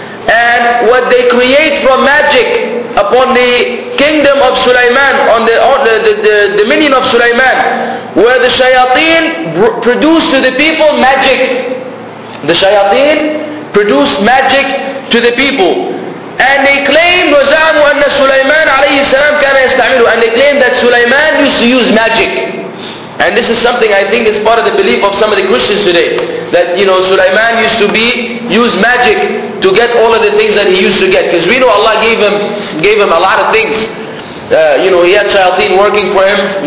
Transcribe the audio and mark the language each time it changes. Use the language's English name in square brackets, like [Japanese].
[English] And what they create from magic upon the kingdom of Sulaiman, on the dominion of Sulaiman, where the shayateen produce to the people magic. The shayateen produce magic to the people. And they claim, [Arabic] وزعموا أن سليمان عليه السلام كان يستعمله. [English] And they claim that Sulaiman used to use magic. And this is something I think is part of the belief of some of the Christians today. That, you know, Sulaiman used to use magic to get all of the things that he used to get. Because we know Allah gave him a lot of things. You know, he had shayateen working for him.